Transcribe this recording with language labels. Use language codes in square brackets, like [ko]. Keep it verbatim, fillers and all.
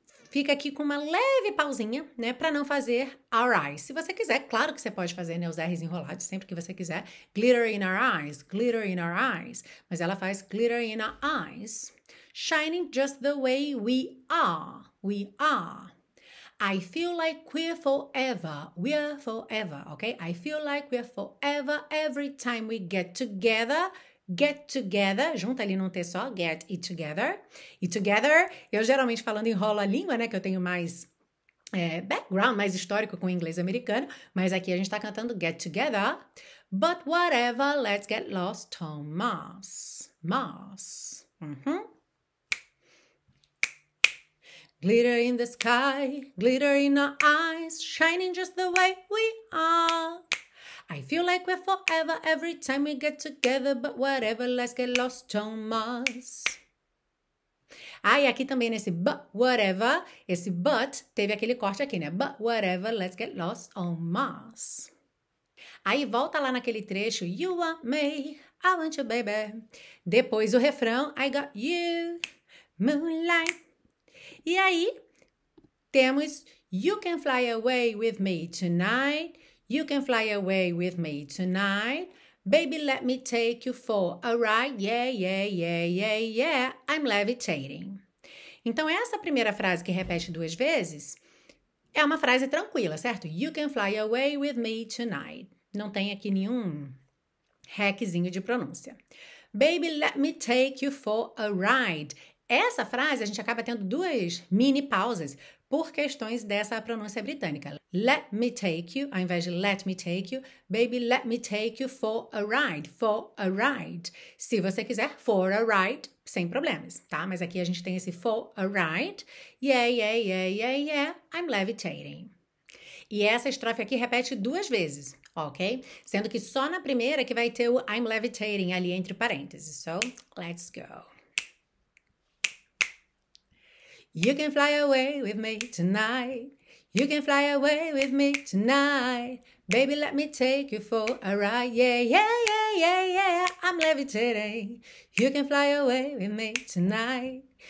[pt] Fica aqui com uma leve pausinha, né, para não fazer [en] our eyes. [pt] Se você quiser, claro que você pode fazer, né, os R's enrolados sempre que você quiser. [en] Glitter in our eyes, glitter in our eyes. [pt] Mas ela faz [en] glitter in our eyes. Shining just the way we are, we are. I feel like we're forever, we're forever, ok? I feel like we're forever every time we get together, get together, [pt] junta ali num T só, [en] get it together. [pt] E together, eu geralmente falando enrolo a língua, né, que eu tenho mais é, background, mais histórico com o inglês americano, mas aqui a gente tá cantando [en] get together, but whatever, let's get lost on Mars, Mars, [pt] uhum. [en] Glitter in the sky, glitter in our eyes, shining just the way we are. I feel like we're forever every time we get together, but whatever, let's get lost on Mars. [pt] Ah, e aqui também nesse [en] but, whatever, [pt] esse but teve aquele corte aqui, né? [en] But whatever, let's get lost on Mars. [pt] Aí volta lá naquele trecho, [en] you want me, I want you baby. [pt] Depois o refrão, [en] I got you, moonlight. [pt] E aí, temos [en] You can fly away with me tonight, you can fly away with me tonight, baby let me take you for a ride, yeah, yeah, yeah, yeah, yeah, I'm levitating. [pt] Então, essa primeira frase que repete duas vezes é uma frase tranquila, certo? [en] You can fly away with me tonight. [pt] Não tem aqui nenhum hackzinho de pronúncia. [en] Baby let me take you for a ride. [pt] Essa frase a gente acaba tendo duas mini pausas por questões dessa pronúncia britânica. [en] Let me take you, [pt] ao invés de [en] let me take you, baby, let me take you for a ride, for a ride. [pt] Se você quiser, [en] for a ride, [pt] sem problemas, tá? Mas aqui a gente tem esse [en] for a ride, yeah, yeah, yeah, yeah, yeah, I'm levitating. [pt] E essa estrofe aqui repete duas vezes, ok? Sendo que só na primeira que vai ter o [en] I'm levitating [pt] ali entre parênteses. [en] So, let's go. You can fly away with me tonight. You can fly away with me tonight. Baby, let me take you for a ride. Yeah, yeah, yeah, yeah, yeah. I'm levitating. You can fly away with me tonight.